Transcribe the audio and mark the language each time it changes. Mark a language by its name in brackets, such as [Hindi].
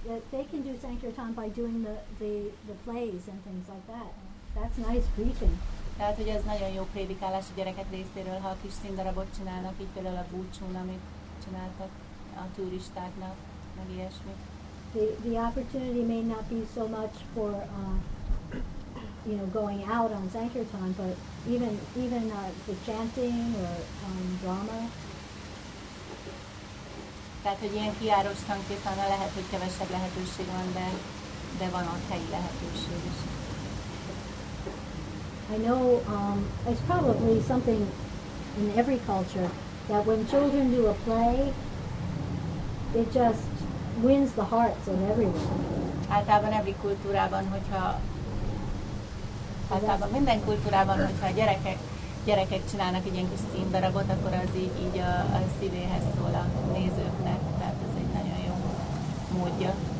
[English] They can do Sankirtan by doing the plays and things like that. That's nice preaching. [Hungarian] Tehát, hogy ez nagyon jó prédikálás a gyerekek részéről, ha a kis színdarabot csinálnak, így például a búcsún, amit csináltak a turistáknak, meg ilyesmi. [English] The opportunity may not be so much for you know, going out on Sankirtan, but even the chanting or drama. [Hungarian] Tehát, hogy ilyen kiáros Sankirtan, lehet, hogy kevesebb lehetőség van, de van ott helyi lehetőség is. [English] I know it's probably something in every culture that when children do a play, it just wins the hearts of everyone. [Hungarian] Általában every kultúrában, hogyha általában minden kultúrában, hogyha gyerekek csinálnak egy ilyen kis színdarabot, akkor az így a szívéhez szól a nézőknek, tehát ez egy nagyon jó módja.